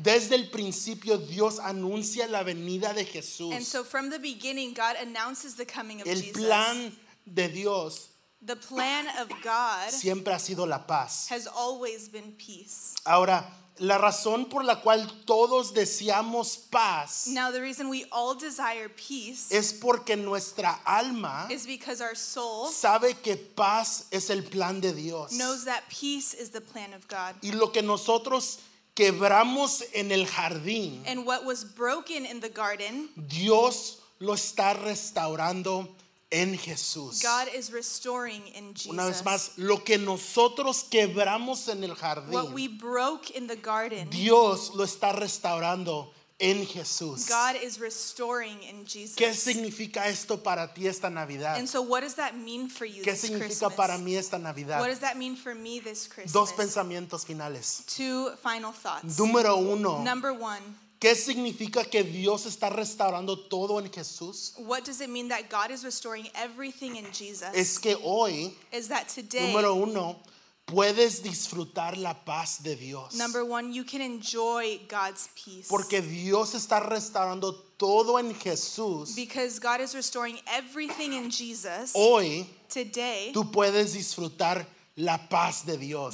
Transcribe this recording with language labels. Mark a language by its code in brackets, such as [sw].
[es] Desde el principio, Dios anuncia la venida de Jesús. [en] And so from the beginning, God announces the coming of [es] el [en] Jesus. [es] El plan de Dios, [en] the plan of God, [es] siempre ha sido la paz. [en] Has always been peace. [es] Ahora, la razón por la cual todos deseamos paz, [en] now the reason we all desire peace, [es] es porque nuestra alma, [en] is because our soul, [es] sabe que paz es el plan de Dios, [en] knows that peace is the plan of God. [es] Y lo que nosotros quebramos en el jardín, [en] and what was broken in the garden, [es] Dios lo está restaurando en Jesús. [en] God is restoring in Jesus. [es] Una vez más, lo que nosotros quebramos en el jardín, [en] what we broke in the garden, [es] Dios lo está restaurando en Jesús. [en] God is restoring in Jesus. [es] ¿Qué significa esto para ti esta Navidad? [en] And so what does that mean for you? [es] ¿Qué [en] this [es] significa [en] Christmas? [es] Para mí esta Navidad? [en] What does that mean for me this Christmas? [es] Dos pensamientos finales. [en] Two final thoughts. [es] Número uno. [en] Number one. [es] ¿Qué significa que Dios está restaurando todo en Jesús? [en] What does it mean that God is restoring everything in Jesus? [es] Es que hoy, [en] is that today, [es] número uno, puedes disfrutar la paz de Dios. [en] Number one, you can enjoy God's peace. [es] Porque Dios está restaurando todo en Jesús. [en] Because God is restoring everything in Jesus. [es] Hoy, [en] today, [es] tú puedes disfrutar la paz de Dios.